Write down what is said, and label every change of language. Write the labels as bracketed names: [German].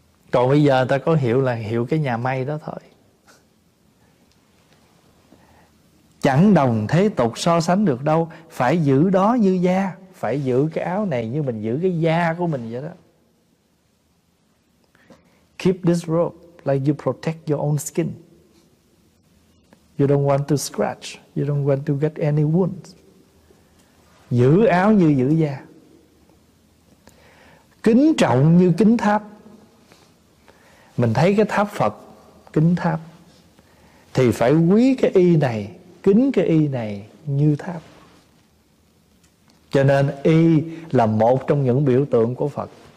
[Vietnamese] Còn bây giờ người ta có hiệu là hiệu cái nhà may đó thôi. Chẳng đồng thế tục so sánh được đâu. Phải giữ đó như da, phải giữ cái áo này như mình giữ cái da của mình vậy đó. [English] Keep this robe like you protect your own skin. You don't want to scratch, you don't want to get any wounds. [Vietnamese] Giữ áo như giữ da. Kính trọng như kính tháp. Mình thấy cái tháp Phật, kính tháp, thì phải quý cái y này, kính cái y này như tháp. Cho nên y là một trong những biểu tượng của Phật.